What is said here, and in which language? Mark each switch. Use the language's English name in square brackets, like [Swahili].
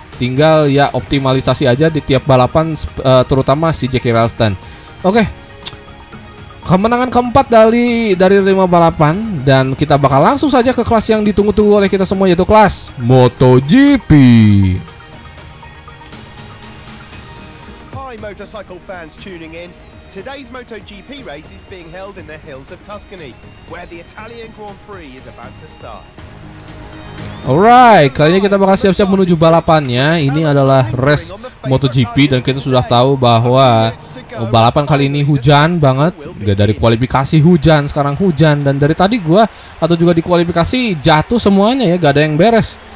[Indonesian] Tinggal ya optimalisasi aja di tiap balapan, terutama si Jackie Ralston. Oke, kemenangan keempat dari 5 balapan. Dan kita bakal langsung saja ke kelas yang ditunggu-tunggu oleh kita semua, yaitu kelas MotoGP. [English] Hi motorcycle fans tuning in. Today's MotoGP race is being held in the hills of Tuscany, where the Italian Grand Prix is about to start. [Indonesian] Alright, kali ini kita bakal siap-siap menuju balapannya. Ini adalah race MotoGP dan kita sudah tahu bahwa balapan kali ini hujan banget. Dari kualifikasi hujan, sekarang hujan. Dan dari tadi gue atau juga di kualifikasi jatuh semuanya ya, gak ada yang beres.